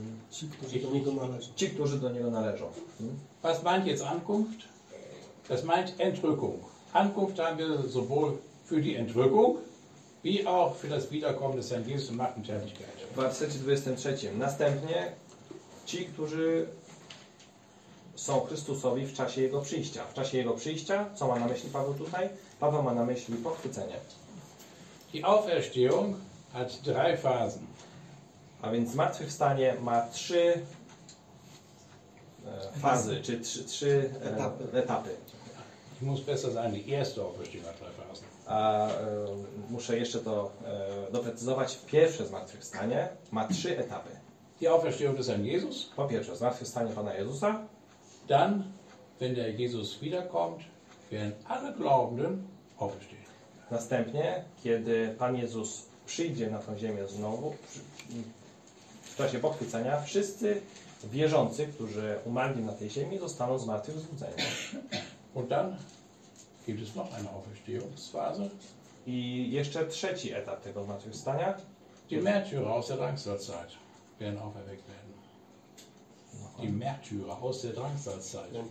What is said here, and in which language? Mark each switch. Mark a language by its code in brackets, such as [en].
[pl] Ci, którzy do niego należą. [de] Was meint jetzt Ankunft? Das meint Entrückung. Ankunft haben wir sowohl für die Entrückung, wie auch für das Wiederkommen des Herrn Jesus und Machtentätigkeit. [pl] W wersecie 23. Następnie ci, którzy są Chrystusowi w czasie Jego przyjścia. W czasie Jego przyjścia, co ma na myśli Paweł tutaj? Paweł ma na myśli pochwycenie. [de] Die Auferstehung hat drei Phasen. [pl] A więc zmartwychwstanie ma trzy fazy, czy trzy etapy. [de] Ich muss besser sagen, die erste Auferstehung hat drei Phasen. [pl] Muszę jeszcze to doprecyzować. Pierwsze zmartwychwstanie ma trzy etapy. [de] Die Auferstehung des Herrn Jesus. [pl] Po pierwsze, zmartwychwstanie Pana Jezusa. [de] Dann, wenn der Jesus wiederkommt, werden alle Glaubenden auferstehen. [pl] Następnie, kiedy Pan Jezus przyjdzie na tę ziemię znowu, w czasie pochwycenia, wszyscy wierzący, którzy umarli na tej ziemi, zostaną zmartwychwzbudzeni. [de] Und dann gibt es noch eine Auferstehungsphase. [pl] I jeszcze trzeci etap tego zmartwychwstania. [de] Die Märtyrer aus der Drangsalzeit werden auferweckt werden. Die Märtyrer aus der Drangsalzeit.